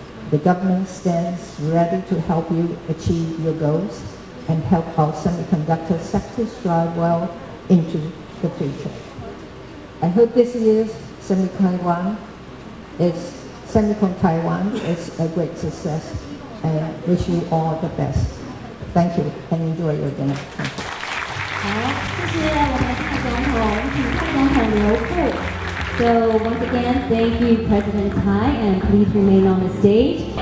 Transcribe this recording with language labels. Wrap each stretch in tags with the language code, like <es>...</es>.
<en>The government stands ready to help you achieve your goals and help our semiconductor sector thrive well into the future. I hope this year's SEMICON Taiwan is a great success, and wish you all the best. Thank you, and enjoy your dinner. Thank you.</en> <zh>好，谢谢我们蔡总统，请蔡总统留步。</zh> <en>So once again, thank you, President Tsai, and please remain on the stage.</en>